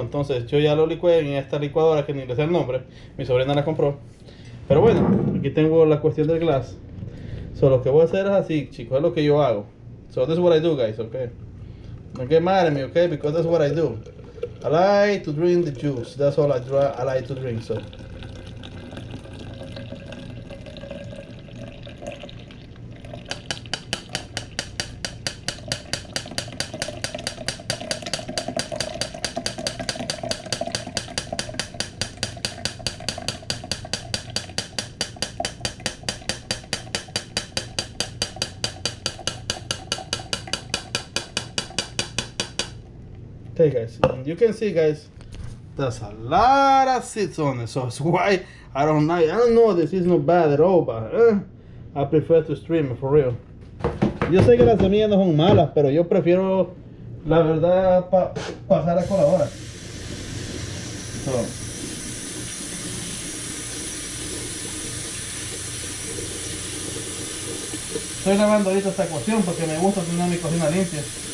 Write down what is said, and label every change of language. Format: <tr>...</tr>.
<es>Entonces yo ya lo licué en esta licuadora, que ni le sé el nombre. Mi sobrina la compró. Pero bueno, aquí tengo la cuestión del glass. So lo que voy a hacer es así, chicos, es lo que yo hago.</es> <en>So this is what I do, guys, okay? Don't get mad at me, okay? Because that's what I do. I like to drink the juice. That's all I like to drink, so. Okay, guys, and you can see, guys, there's a lot of seeds on it, so that's why I don't know this is not bad at all, but I prefer to stream for real.</en> <es>Yo sé que las semillas no son malas, pero yo prefiero, la verdad, pasar a coladora. So. Estoy lavando ahorita esta cuestión porque me gusta tener mi cocina limpia.</es>